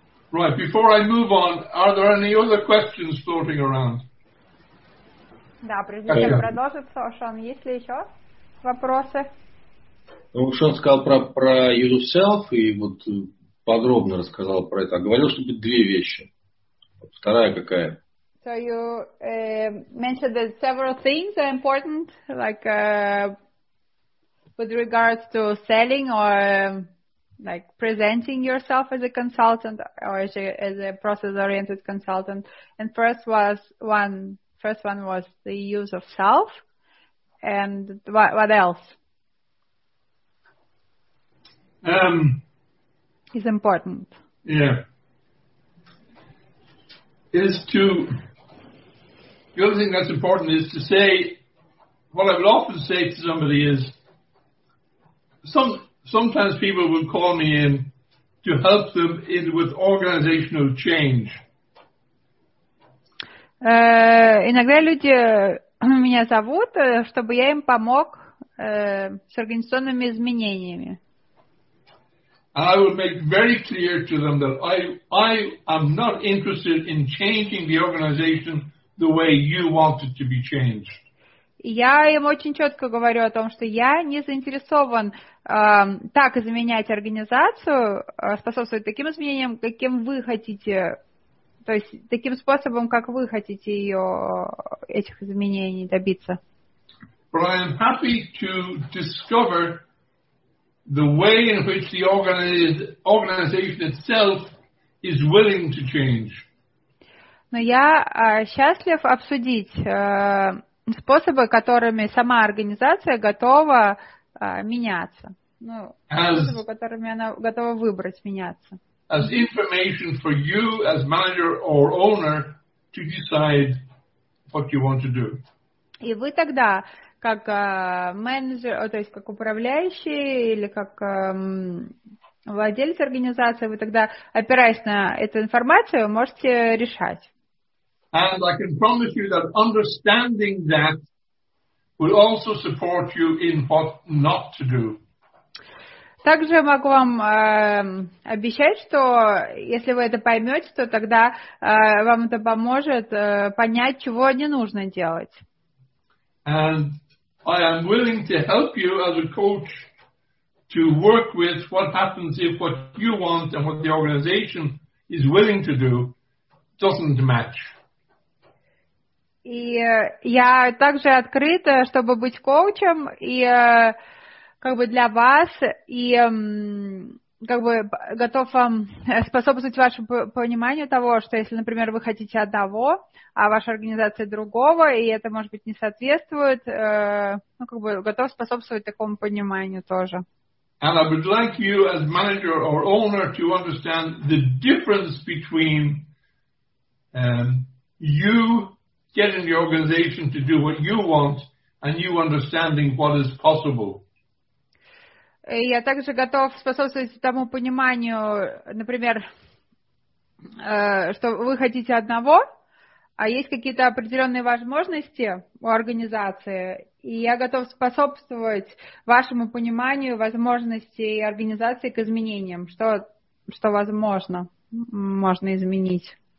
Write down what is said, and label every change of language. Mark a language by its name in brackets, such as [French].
[English] Right, before I move on, are there any other questions floating around? [Russian] Да, прежде чем продолжить, Сошан, есть ли еще вопросы? Ушон сказал про yourself и вот подробно рассказал про это. Говорил, что будет две вещи. Вторая какая? [English] So you mentioned that several things are important, like with regards to selling or like presenting yourself as a consultant or as a process-oriented consultant. And first one was the use of self. And what else? Is important. Yeah. Is to, the other thing that's important is to say, what I would often say to somebody is, sometimes people will call me in to help them in with organizational change. [Russian] Иногда люди меня зовут, чтобы я им помог с организационными изменениями. [English] I will make very clear to them that I am not interested in changing the organization the way you want it to be changed. [Russian] Я им очень четко говорю о том, что я не заинтересован так изменять организацию, способствовать таким изменениям, каким вы хотите, то есть таким способом, как вы хотите ее, этих изменений добиться. [English] But I am happy to discover the way in which the organization itself is willing to change. [Russian] Но я счастлив обсудить способы, которыми сама организация готова меняться. Ну, способы, которыми она готова выбрать меняться. [English] As information for you as manager or owner to decide what you want to do. [Russian] И вы тогда, как менеджер, то есть как управляющий или как владелец организации, вы тогда, опираясь на эту информацию, можете решать. [English] And I can promise you that understanding that will also support you in what not to do. [Russian] Также могу вам обещать, что если вы это поймете, то тогда вам это поможет понять, чего не нужно делать. [English] And I am willing to help you as a coach to work with what happens if what you want and what the organization is willing to do doesn't match. [Russian] И я также открыта, чтобы быть коучем, и как бы для вас, и как бы готов вам способствовать вашему пониманию того, что если, например, вы хотите одного, а ваша организация другого, и это, может быть, не соответствует, ну, как бы готов способствовать такому пониманию тоже. [English] And I would like you as manager or owner to understand the difference between you getting the organization to do what you want and you understanding what is possible. [Russian] Я также готов способствовать тому пониманию, например, что вы хотите одного, а есть какие-то определенные возможности у организации, и я готов способствовать вашему пониманию возможностей организации к изменениям, что возможно, можно изменить.